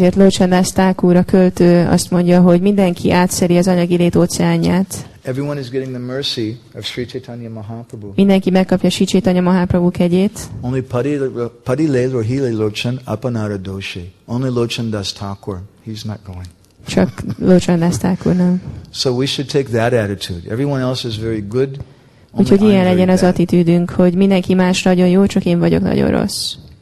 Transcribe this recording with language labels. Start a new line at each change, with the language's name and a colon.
Hungarian: Ezért Lochan Das Thakur, a költő, azt mondja, hogy mindenki átszeri az anyagi lét óceánját.
English: Everyone is getting the mercy of Sri Chaitanya Mahaprabhu.
Hungarian: Mindenki megkapja Sri Chaitanya Mahaprabhu kegyét.
Bangla: Only Padile Rohile Lochan Apanara Doshi.
English: Only Lochan Das Thakur, he's not going.
Hungarian: Csak Lochan Das Thakur, nem.
English: So we should take that attitude. Everyone else is very good.
Hungarian: Úgyhogy ilyen legyen az attitűdünk, hogy mindenki más nagyon jó, csak én vagyok nagyon rossz.